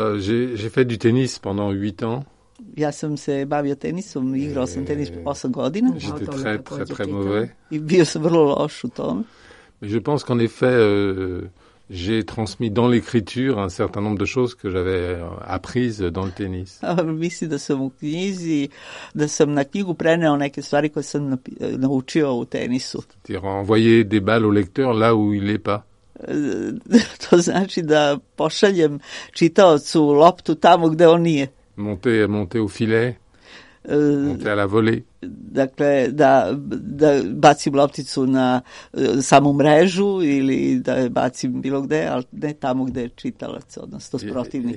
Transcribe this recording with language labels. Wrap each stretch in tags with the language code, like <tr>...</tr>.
<fr>J'ai fait du tennis pendant 8 ans.</fr> <sr>Ja sam se bavio tenisom, igrao sam tenis 8 godina.</sr> <fr>J'étais très, très, très mauvais.</fr> <sr>I bio sam vrlo loš u tome.</sr> <fr>Mais je pense qu'en effet, j'ai transmis dans l'écriture un certain nombre de choses que j'avais apprises dans le tennis.</fr> <sr>Mislim da sam u knjizi, da sam na knjigu preneo neke stvari koje sam naučio u tenisu.</sr> <fr>C'est-à-dire envoyer des balles au lecteur là où il n'est pas.</fr> <sr>To znači da pošaljem čitaocu loptu tamo gde on nije.</sr> <fr>Monter au filet. Monter à la volée.</fr> <sr>Dakle, da bacim lopticu na samu mrežu ili da bacim bilo gde, ali ne tamo gde je čitalac, odnosno s protivnik.</sr>